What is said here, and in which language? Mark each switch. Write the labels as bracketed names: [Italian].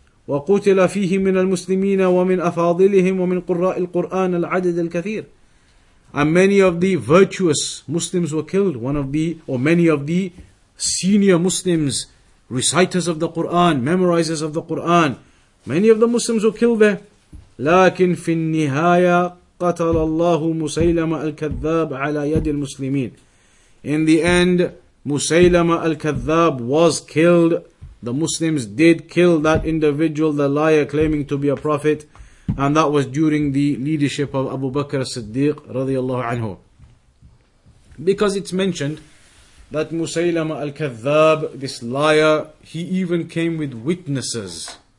[Arabic] وَقُتِلَ فِيهِ مِنَ الْمُسْلِمِينَ وَمِنْ أَفَاضِلِهِمْ وَمِنْ قُرَّاءِ الْقُرْآنَ الْعَدَدِ الْكَثِيرِ. [English] And many of the virtuous Muslims were killed. Many of the senior Muslims, reciters of the Qur'an, memorizers of the Qur'an, many of the Muslims were killed there. [Arabic] لكن في النهاية قتل الله مسيلمة الكذاب على يد المسلمين. [English] In the end, مسيلمة الكذاب was killed. The Muslims did kill that individual, the liar claiming to be a prophet. And that was during the leadership of Abu Bakr as-Siddiq [Arabic] رضي الله عنه. [English] Because it's mentioned that Musaylama al-Kadhab, this liar, he even came with witnesses.